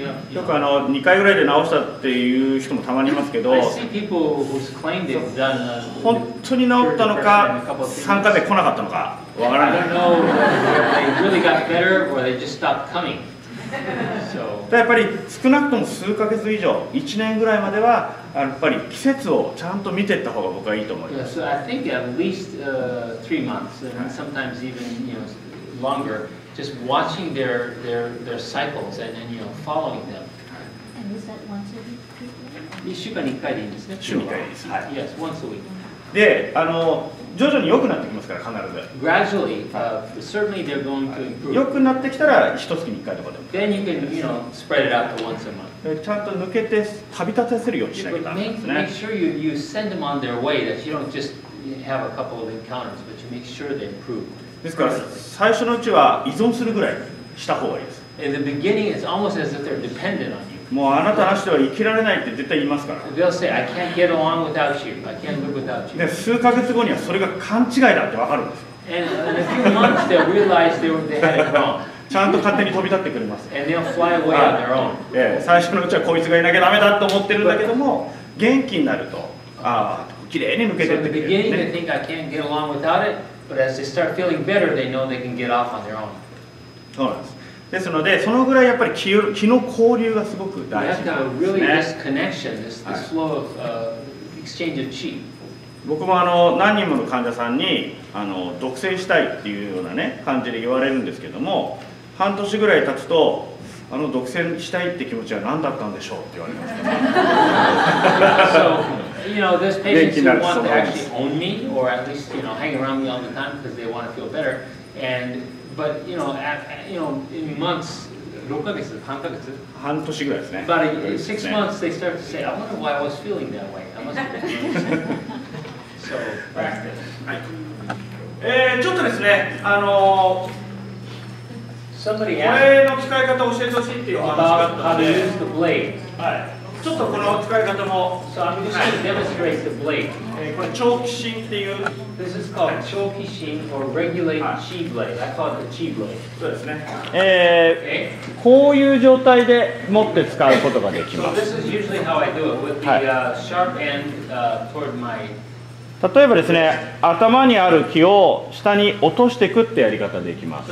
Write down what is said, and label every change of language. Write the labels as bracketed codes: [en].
[ja] よく2回ぐらいで治したっていう人もたまにいますけど、本当に治ったのか3回目来なかったのかわからない。ただやっぱり少なくとも数ヶ月以上、1年ぐらいまではやっぱり季節をちゃんと見ていった方が僕はいいと思います。 [en] Yeah, so I think at least three months, and sometimes even, you know, longer, just watching their cycles and then, you know, following them. And is that once a week? [ja] 1週間に1回でいいんですね。週に1回です。はい。 [en] Yes, once a week. [ja] で、徐々に良くなってきますから、必ず。 [en] Gradually, certainly they're going to improve. [ja] 良くなってきたら、1月に1回とかでも。 [en] Then you can, you know, spread it out to once a month. [ja] ちゃんと抜けて旅立たせるようにしないとね。 [en] Make sure you send them on their way, that you don't just have a couple of encounters, but you make sure they improve. [ja] ですから最初のうちは依存するぐらいした方がいいです。 [en] In the beginning, it's almost as if they're dependent on you. [ja] もうあなたなしでは生きられないって絶対言いますから。 [en] They'll say, I can't get along without you. I can't live without you. [ja] で数ヶ月後にはそれが勘違いだってわかるんですよ。 [en] And a few months, they'll realize they had it wrong. [ja] ちゃんと勝手に飛び立ってくれます。 [en] And they'll fly away on their own. [ja] 最初のうちはこいつがいなきゃダメだと思ってるんだけども、元気になると、きれいに抜けてってくれる。 [en] So in the beginning they think I can't get along without it, but as they start feeling better, they know they can get off on their own. [ja] そうなんです。ですので、そのぐらいやっぱり気の交流がすごく大事ですね。 [en] You have to have really this connection, this flow of exchange of qi. [ja] 僕も何人もの患者さんに独占したいっていうようなね感じで言われるんですけども。半年ぐらい経つと、独占したいって気持ちは何だったんでしょうって言われます。 [en] So, you know, there's patients who want to actually own me, or at least, you know, hang around me all the time because they want to feel better. And, but, you know, in months, [ja] 6ヶ月、半ヶ月？半年ぐらいですね。 [en] But in six months, they start to say, I wonder why I was feeling that way. I must have been. So, practice. [ja] はい。ちょっとですね、これの使い方を教えてほしいっていう話があったので、 [en] how to use the blade. [ja] ちょっとこの使い方も、 [en] so I'm just going to demonstrate the blade. [ja] これ長期心っていう、 [en] this is called 長期心 or regulate chi blade. I call it the chi blade. [ja] そうですね。こういう状態で持って使うことができます。 [en] So this is usually how I do it with the sharp end toward my [ja] 例えばですね、頭にある気を下に落としていくってやり方でいきます。